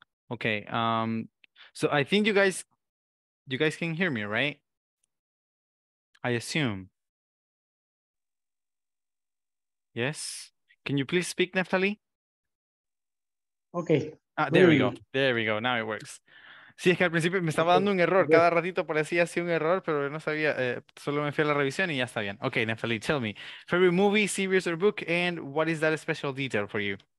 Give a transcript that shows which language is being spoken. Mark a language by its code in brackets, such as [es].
[en] Okay, so I think you guys can hear me, right? I assume. Yes. Can you please speak, Neftali? Okay. There we go. There we go. Now it works. [es] Sí, es que al principio me estaba dando un error. Cada ratito parecía así un error, pero no sabía. Solo me fui a la revisión y ya está bien. [en] Okay, Nephali, tell me. Favorite movie, series, or book, and what is that special detail for you?